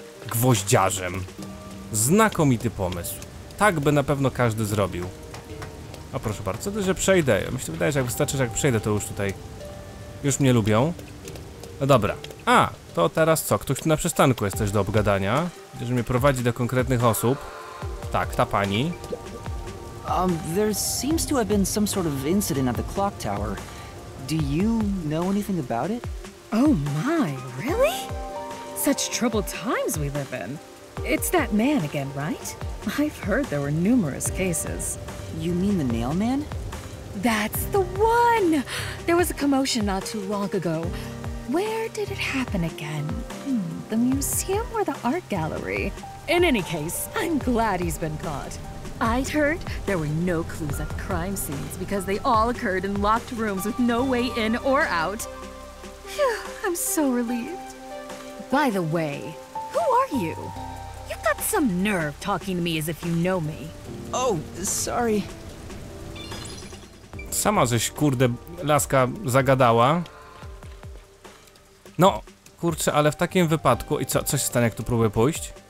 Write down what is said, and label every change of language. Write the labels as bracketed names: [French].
[Polish] gwoździarzem. Znakomity pomysł. Tak by na pewno każdy zrobił. O, proszę bardzo, to, że przejdę. Myślę, wydaje, że jak wystarczy, że jak przejdę, to już tutaj... już mnie lubią. No dobra. A, to teraz co? Ktoś tu na przystanku jest też do obgadania. Widzę, że mnie prowadzi do konkretnych osób. Tak, ta pani. [English] There seems to have been some sort of incident at the clock tower. Do you know anything about it? Oh my, really? Such troubled times we live in. It's that man again, right? I've heard there were numerous cases. You mean the nail man? That's the one! There was a commotion not too long ago. Where did it happen again? The museum or the art gallery? In any case, I'm glad he's been caught. I'd heard there were no clues at the crime scenes because they all occurred in locked rooms with no way in or out. Phew, I'm so relieved. By the way, who are you? You've got some nerve talking to me as if you know me. Oh, sorry. [Polish] Sama żeś, kurde, laska zagadała. No, kurczę, ale w takim wypadku... I co się stanie, jak tu próbuję pójść?